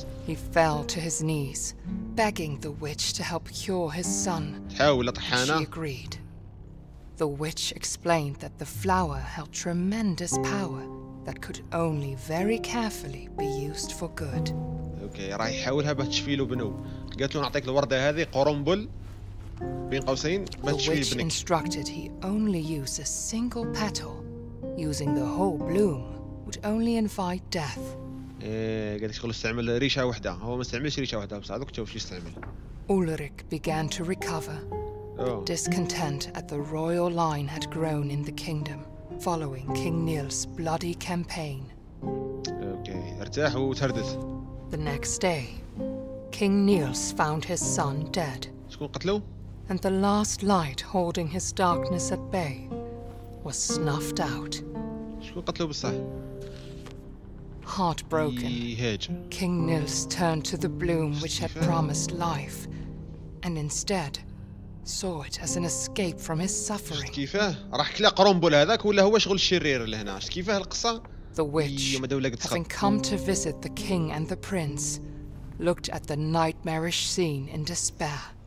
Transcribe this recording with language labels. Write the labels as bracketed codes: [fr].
[en] He fell to his knees, begging the witch to help cure his son. She agreed. The witch explained that the flower held tremendous power that could only very carefully be used for good. [ar] اوكي راه يحاولها باش تشفي له بنو. قالت له نعطيك الورده هذه قرنبل بين قوسين باش تشفي بنك. [en] Instructed he only use a single petal, using the whole bloom would only invite death. [ar] قالت له استعمل ريشه واحده، هو ما استعملش ريشه واحده بصح دوك تشوف شو يستعمل. [en] Ulrich began to recover. Discontent at the royal line had grown in the kingdom following King Nils' bloody campaign. [ar] اوكي ارتاح وتردد. [en] The next day, King Nils found his son dead. [ar] شكون قتلو؟ [en] And the last light holding his darkness at bay was snuffed out. [ar] شكون قتلو بصح؟ [en] Heartbroken, King Nils turned to the bloom which had promised life and instead saw it as an escape from his suffering. [ar] كيفاه؟ راح كلا قرنبل هذاك ولا هو شغل شرير لهنا؟ كيفاه القصة؟ [en] The witch, having come to visit the king and the prince, looked at the nightmarish scene in despair.